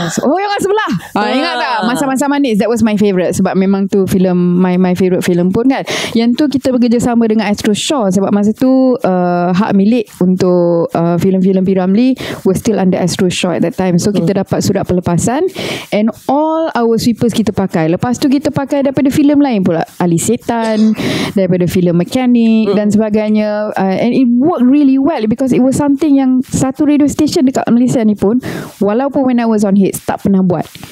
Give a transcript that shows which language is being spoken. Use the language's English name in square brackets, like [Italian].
[Malay] Oh, yang kat sebelah. Ingat tak Masa-masa Manis? [English] That was my favourite, [Malay] sebab memang tu filem [English] my favourite [Malay] filem pun kan. Yang tu kita bekerjasama dengan Astro Shaw, sebab masa tu hak milik untuk filem-filem P. [English] Ramlee was still under Astro Shaw at that time. [Malay] So kita dapat surat pelepasan, [English] and all our sweepers [Malay] kita pakai. Lepas tu kita pakai daripada filem lain pula, Ali Setan, daripada filem Mekanik dan sebagainya. [English] And it worked really well, because it was something yang satu radio station [Malay] dekat Malaysia ni pun, walaupun [English] when I was on hits, [Malay] tak pernah buat.